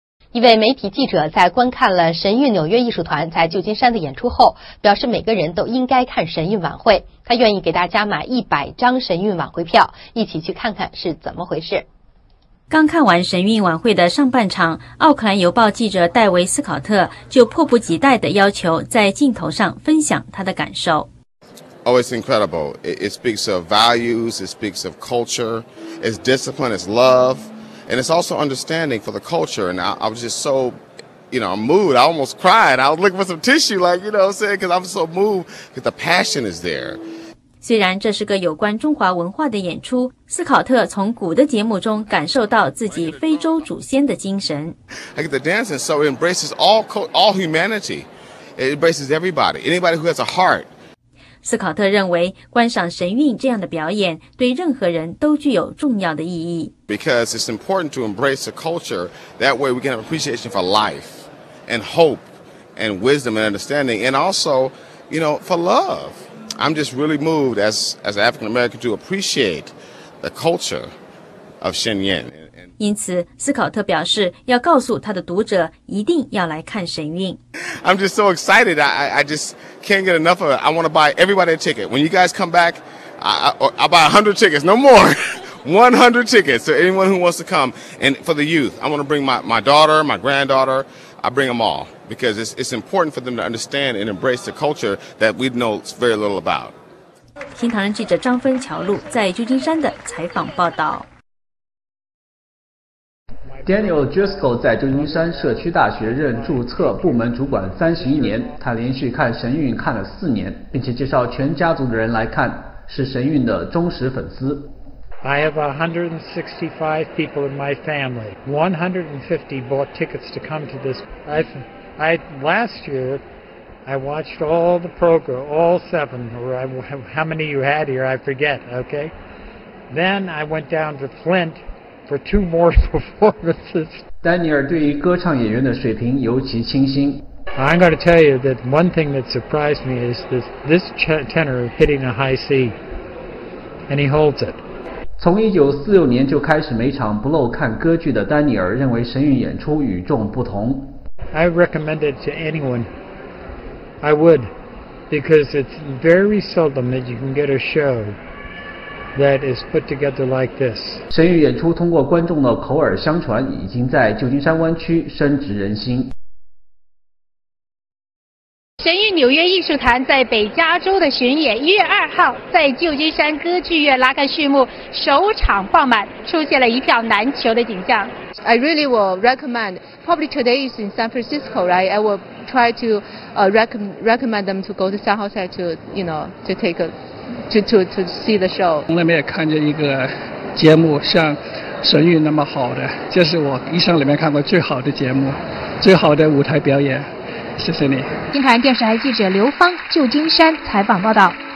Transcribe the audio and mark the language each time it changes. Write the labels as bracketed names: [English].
[Chinese] 一位媒体记者在观看了神韵纽约艺术团在旧金山的演出后表示，每个人都应该看神韵晚会，他愿意给大家买100张神韵晚会票，一起去看看是怎么回事。刚看完神韵晚会的上半场，奥克兰邮报记者戴维斯考特就迫不及待地要求在镜头上分享他的感受。 [English] Oh, it's incredible. It speaks of values, it speaks of culture, it's discipline, it's love. And it's also understanding for the culture. And I was just so, you know, moved. I almost cried. I was looking for some tissue, like, you know what I'm saying? Because I'm so moved. Because the passion is there. [Chinese] 虽然这是个有关中华文化的演出，斯考特从古的节目中感受到自己非洲祖先的精神。 [English] I get the dancing, so it embraces all humanity. It embraces everybody. Anybody who has a heart. [Chinese] 斯考特认为，观赏神韵这样的表演对任何人都具有重要的意义。 [English] Because it's important to embrace a culture, that way we can have appreciation for life and hope and wisdom and understanding and also, you know, for love. I'm just really moved as an African American to appreciate the culture of Shen Yin. [Chinese] 因此，斯考特表示要告诉他的读者一定要来看神韵。 [English] I'm just so excited. I just can't get enough of it. I want to buy everybody a ticket. When you guys come back, I'll buy 100 tickets, no more. 100 tickets to anyone who wants to come. And for the youth, I want to bring my daughter, my granddaughter, I bring them all. Because it's important for them to understand and embrace the culture that we know very little about. [Chinese] 新唐人记者张芬乔露在旧金山的采访报道。 Daniel Driscoll 在旧金山社区大学任注册部门主管31年，他连续看神韵看了4年，并且介绍全家族的人来看，是神韵的忠实粉丝。 [English] I have 165 people in my family. 150 bought tickets to come to this. I last year I watched all the program, all 7, or how many you had here, I forget. Okay. Then I went down to Flint. For 2 more performances. [Chinese] 丹尼尔对于歌唱演员的水平尤其倾心。 [English] I'm going to tell you that one thing that surprised me is this tenor hitting a high C, and he holds it. [Chinese] 从1946年就开始每场不漏看歌剧的丹尼尔认为神韵演出与众不同。 [English] I recommend it to anyone. I would, because it's very seldom that you can get a show. That is put together like this. [Chinese] 神韵演出通过观众的口耳相传，已经在旧金山湾区深植人心。神韵纽约艺术团在北加州的巡演1月2号在旧金山歌剧院拉开序幕，首场爆满，出现了一票难求的景象。 [English] I really will recommend. Probably today is in San Francisco, right? I will try to recommend them to go to San Jose to you know to take a. To see the show. [Chinese] 从来没有看见一个节目像神韵那么好的，这是我一生里面看过最好的节目，最好的舞台表演。谢谢你。新唐人电视台记者刘芳，旧金山采访报道。